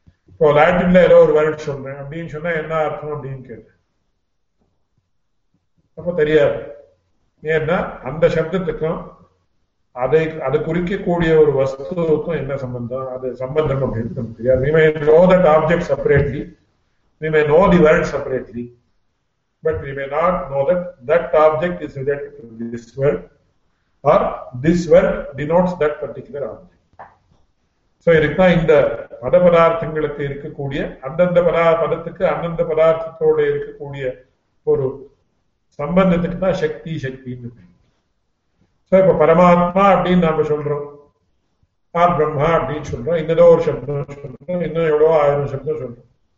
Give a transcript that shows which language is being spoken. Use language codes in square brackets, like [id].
[ta] இப்போ லாட்டின்ல ஏதோ ஒரு வேர்ட் சொல்றேன் அப்படின்னு சொன்னா என்ன அர்த்தம் அப்படின்னு கேட்டேன், அப்ப தெரியாது. ஏன்னா அந்த சப்தத்துக்கும் அதை குறிக்கக்கூடிய ஒரு வஸ்துவுக்கும் என்ன சம்பந்தம், அது சம்பந்தம் அப்படின்னு நமக்கு தெரியாது. [en] We may know that object separately, we may know the world separately, but we may not know that object is related to this world or this world denotes that particular object. [ta] So இதுதான் இந்த பத பதார்த்தங்களுக்கு இருக்கக்கூடிய அந்தந்த பதத்துக்கு அந்தந்த பதார்த்தத்தோட இருக்கக்கூடிய ஒரு சம்பந்தத்துக்கு தான் சக்தி சக்தின்னு. சோ இப்ப பரமாத்மா அப்படின்னு நாம சொல்றோம், ஆ பிரம்மா அப்படின்னு சொல்றோம், இன்னதோ ஒரு சப்தம் சொல்றோம், இன்னும் எவ்வளவோ ஆயிரம் சப்தம் சொல்றோம்.